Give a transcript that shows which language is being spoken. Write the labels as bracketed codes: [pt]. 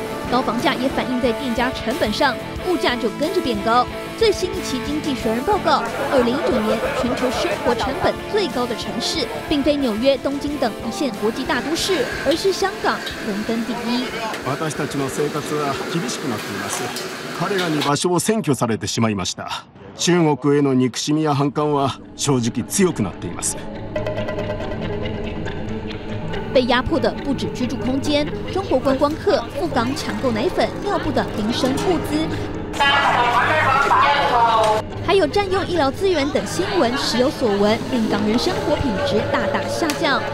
[zh] 高房价也反映在店家成本上，物价就跟着变高。最新一期《经济学人》报告，2019年全球生活成本最高的城市，并非纽约、东京等一线国际大都市，而是香港，荣登第一。 [ja] 私たちの生活は厳しくなっています。彼らに場所を占拠されてしまいました。中国への憎しみや反感は正直強くなっています。 [zh] 被压迫的不止居住空间，中国观光客赴港抢购奶粉、尿布的民生物资，还有占用医疗资源等新闻时有所闻，令港人生活品质大大下降。